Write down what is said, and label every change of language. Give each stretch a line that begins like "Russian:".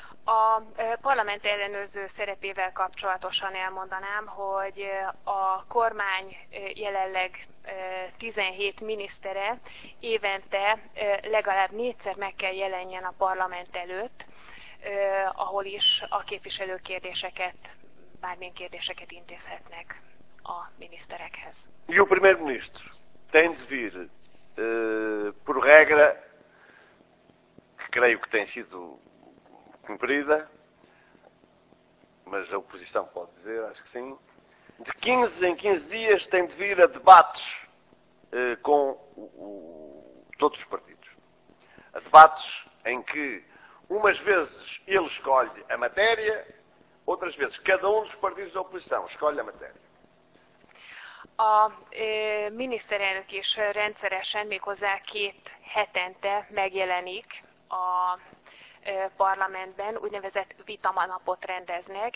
Hungarian: A parlament ellenőrző szerepével kapcsolatosan elmondanám, hogy a kormány jelenleg 17 minisztere évente legalább 4-szer meg kell jelenjen a parlament előtt, ahol is a képviselő kérdéseket, bármilyen kérdéseket intézhetnek a miniszterekhez.
Portuguese: E o primeiro-ministro tem de vir, por regra, creio que tem sido cumprida, mas a oposição pode dizer, acho que sim, de 15 em 15 dias tem de vir a debates com todos os partidos. A debates em que, umas vezes, ele escolhe a matéria, outras vezes, cada dos partidos da oposição escolhe a matéria.
Hungarian: A miniszterelnök is rendszeresen, méghozzá két hetente megjelenik a parlamentben, úgynevezett vitanapot rendeznek.